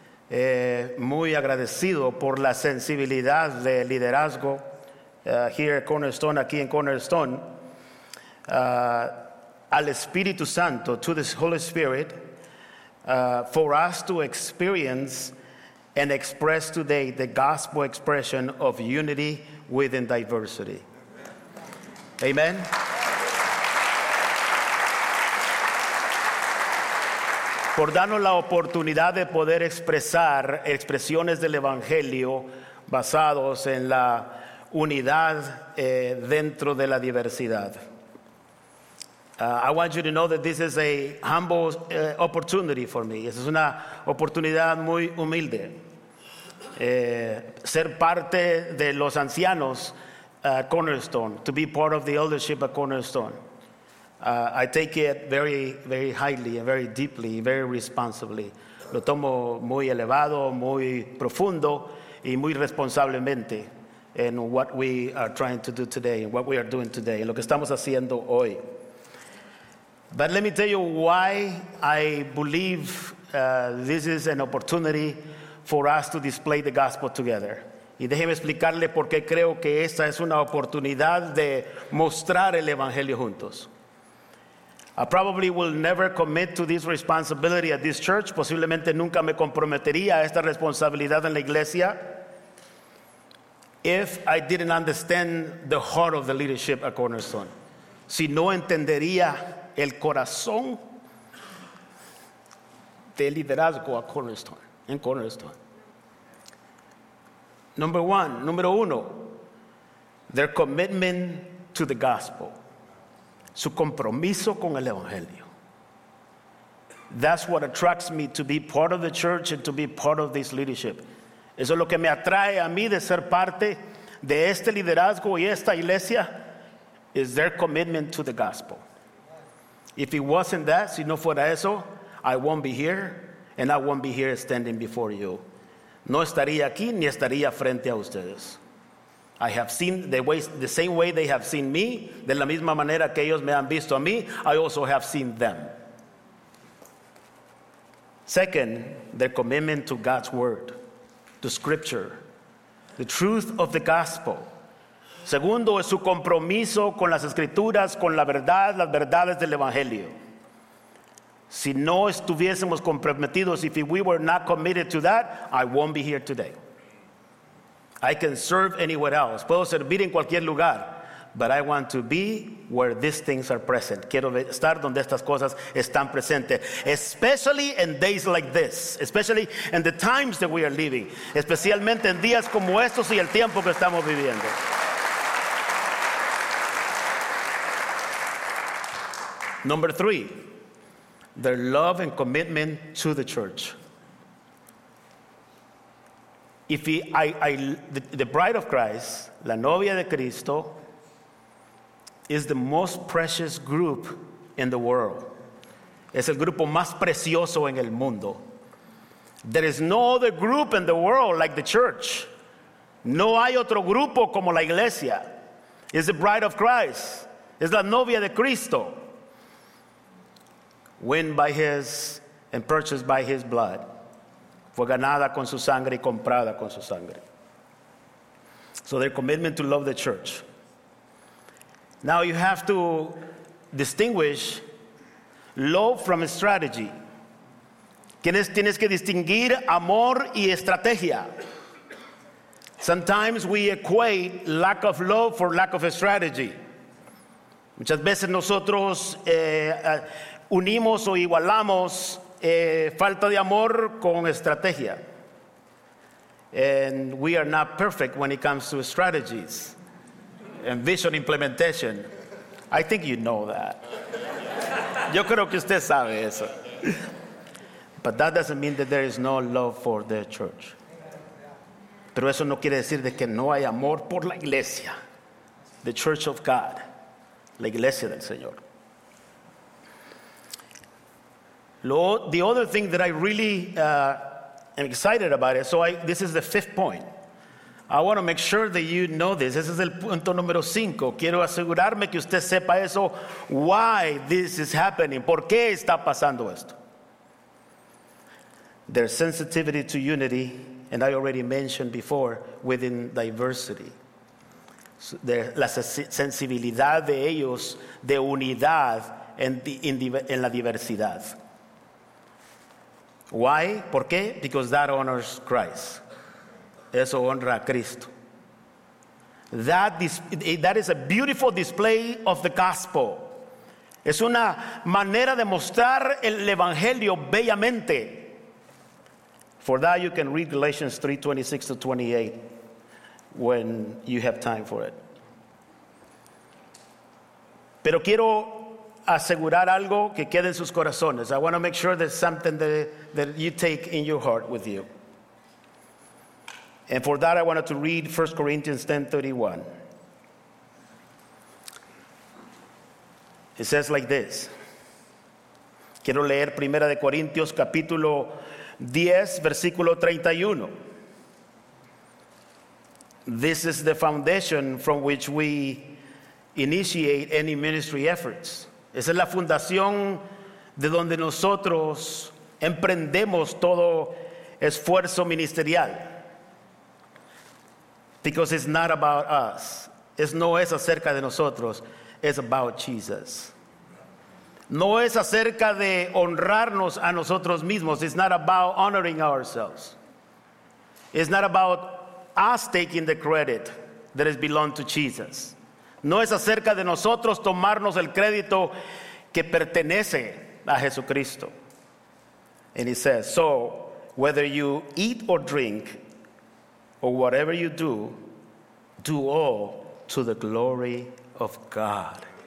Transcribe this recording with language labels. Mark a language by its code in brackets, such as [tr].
[es] Muy agradecido por la sensibilidad de liderazgo [en] here at Cornerstone, [es] aquí en Cornerstone. Al Espíritu Santo, [en] to the Holy Spirit, for us to experience and express today the gospel expression of unity within diversity. Amen. Amen. [es] Por darnos la oportunidad de poder expresar expresiones del evangelio basados en la unidad dentro de la diversidad. [en] I want you to know that this is a humble opportunity for me. [es] Esa es una oportunidad muy humilde. Ser parte de los ancianos [en] at Cornerstone, to be part of the eldership at Cornerstone. I take it very, very highly, very deeply, very responsibly. [es] Lo tomo muy elevado, muy profundo, y muy responsablemente en [en] what we are trying to do today, and what we are doing today, [es] en lo que estamos haciendo hoy. [en] But let me tell you why I believe this is an opportunity for us to display the gospel together. [es] Y déjeme explicarle por qué creo que esta es una oportunidad de mostrar el evangelio juntos. [en] I probably will never commit to this responsibility at this church. [es] Posiblemente nunca me comprometería a esta responsabilidad en la iglesia [en] if I didn't understand the heart of the leadership at Cornerstone. [es] Si no entendería el corazón de liderazgo a Cornerstone, en Cornerstone. Número uno, [en] their commitment to the gospel. [es] Su compromiso con el evangelio. [en] That's what attracts me to be part of the church and to be part of this leadership. [es] Eso es lo que me atrae a mí de ser parte de este liderazgo y esta iglesia, [en] is their commitment to the gospel. If it wasn't that, [es] si no fuera eso, [en] I won't be here, and I won't be here standing before you. [es] No estaría aquí, ni estaría frente a ustedes. [en] I have seen the same way they have seen me, [es] de la misma manera que ellos me han visto a mí, [en] I also have seen them. Second, their commitment to God's word, to scripture, the truth of the gospel. [es] Segundo, es su compromiso con las escrituras, con la verdad, las verdades del evangelio. Si no estuviésemos comprometidos, [en] if we were not committed to that, I won't be here today. I can serve anywhere else. [es] Puedo servir en cualquier lugar, [en] but I want to be where these things are present. [es] Quiero estar donde estas cosas están presentes. [en] Especially in days like this. Especially in the times that we are living. [es] Especialmente en días como estos y el tiempo que estamos viviendo. [en] Number three, their love and commitment to the church. The bride of Christ, [es] la novia de Cristo, [en] is the most precious group in the world. [es] Es el grupo más precioso en el mundo. [en] There is no other group in the world like the church. [es] No hay otro grupo como la iglesia. [en] It's the bride of Christ. It's [es] la novia de Cristo. [en] Win by his and purchased by his blood. [es] Fue ganada con su sangre y comprada con su sangre. [en] So their commitment to love the church. Now you have to distinguish love from strategy. [es] Tienes que distinguir amor y estrategia. [en] Sometimes we equate lack of love for lack of strategy. [es] Muchas veces nosotros unimos o igualamos falta de amor con estrategia. [en] And we are not perfect when it comes to strategies and vision implementation. I think you know that. [es] Yo creo que usted sabe eso. [en] But that doesn't mean that there is no love for the church. [es] Pero eso no quiere decir de que no hay amor por la iglesia. [en] The church of God. [es] La iglesia del Señor. [en] The other thing that I really am excited about is, this is the fifth point. I want to make sure that you know this. [es] Ese es el punto número cinco. Quiero asegurarme que usted sepa eso. [en] Why this is happening. [es] ¿Por qué está pasando esto? [en] Their sensitivity to unity, and I already mentioned before, within diversity. [es] La sensibilidad de ellos de unidad en la diversidad. [en] Why? [es] ¿Por qué? [en] Because that honors Christ. [es] Eso honra a Cristo. [en] That is a beautiful display of the gospel. [es] Es una manera de mostrar el evangelio bellamente. [en] For that, you can read Galatians 3:26-28 when you have time for it. [es] Pero quiero asegurar algo que quede en sus corazones. [en] I want to make sure there's something that you take in your heart with you. And for that, I wanted to read 1 Corinthians 10:31. It says like this. [es] Quiero leer 1 Corintios capítulo 10, versículo 31. [en] This is the foundation from which we initiate any ministry efforts. [es] Esa es la fundación de donde nosotros emprendemos todo esfuerzo ministerial. [en] Because it's not about us. [es] Es no es acerca de nosotros. [en] It's about Jesus. [es] No es acerca de honrarnos a nosotros mismos. [en] It's not about honoring ourselves. It's not about us taking the credit that is belong to Jesus. [es] No es acerca de nosotros tomarnos el crédito que pertenece a Jesucristo. [en] And he says, so whether you eat or drink, or whatever you do, do all to the glory of God.